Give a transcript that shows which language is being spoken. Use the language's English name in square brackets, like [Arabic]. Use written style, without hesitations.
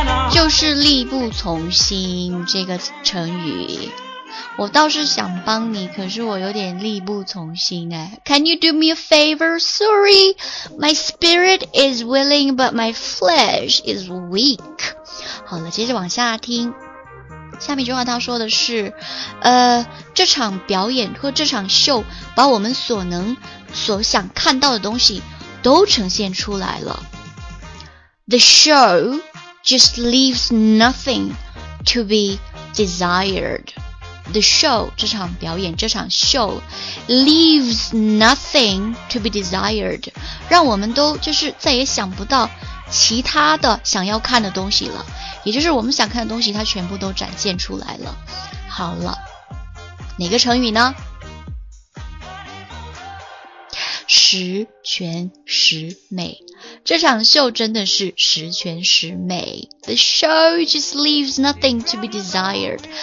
[Chinese] 就是力不从心这个成语，我倒是想帮你，可是我有点力不从心哎。 [English] Can you do me a favor? Sorry, my spirit is willing, but my flesh is weak. [Chinese] 好了，接着往下听。下面一句话他说的是，这场表演或这场秀把我们所能所想看到的东西都呈现出来了。 [English] The show. Just leaves nothing to be desired. The show, [Chinese] 这场表演，这场 [English] show, leaves nothing to be desired. [Chinese] 让我们都就是再也想不到其他的想要看的东西了。也就是我们想看的东西它全部都展现出来了。好了，哪个成语呢？十全十美。这场秀真的是十全十美。 [English] The show just leaves nothing to be desired.